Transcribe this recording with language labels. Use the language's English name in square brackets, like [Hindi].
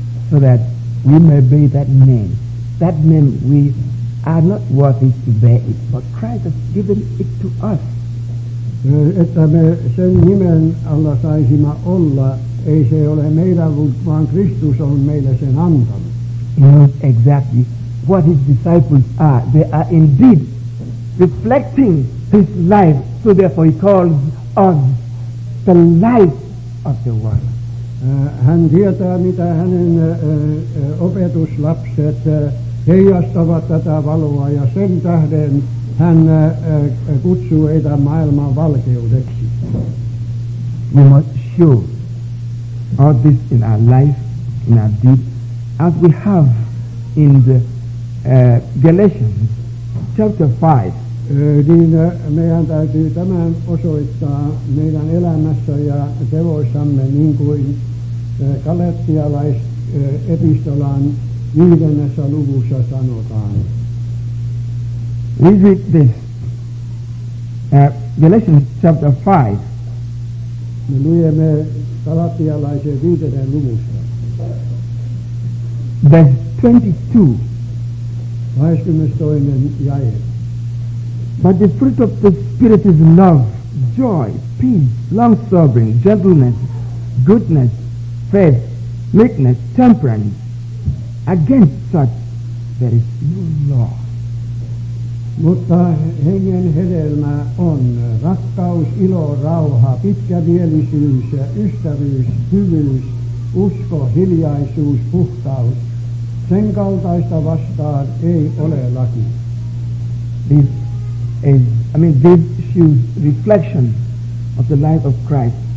[English] So that we may be that name we are not worthy to bear it, but Christ has given it to us. [Finnish] Että me sen nimen alla saisimme olla, ei se ole meidän, vaan Kristus on meille sen antanut. [English] Yes, exactly what his disciples are. They are indeed reflecting his life, so therefore he calls us the light of the world. [Finnish] Hän tietää, mitä hänen opetuslapset heijastavat tätä valoa, ja sen tähden hän kutsuu heitä maailman valkeudeksi. [English] We must show all this in our life, in our deeds, as we have in the Galatians chapter 5. [Finnish] Niin meidän täytyy tämän osoittaa meidän elämässä ja tevoissamme, niin kuin Galatialaisepistolan 5. luvussa sanotaan. [English] Read it this. Galatians chapter 5. [Finnish] Me luemme Galatialaisen 5. luvussa. [English] Verse 22. [Finnish] 22. jae. [English] But the fruit of the Spirit is love, joy, peace, long-suffering, gentleness, goodness, faith, meekness, temperance. Against such there is no law. [Finnish] Mutta hengen hedelmä on rakkaus, ilo, rauha, pitkämielisyys, ystävyys, hyvyys, usko, hiljaisuus, puhtaus. Sen kaltaista vastaan ei ole laki. [English] This shows reflection of the life of Christ.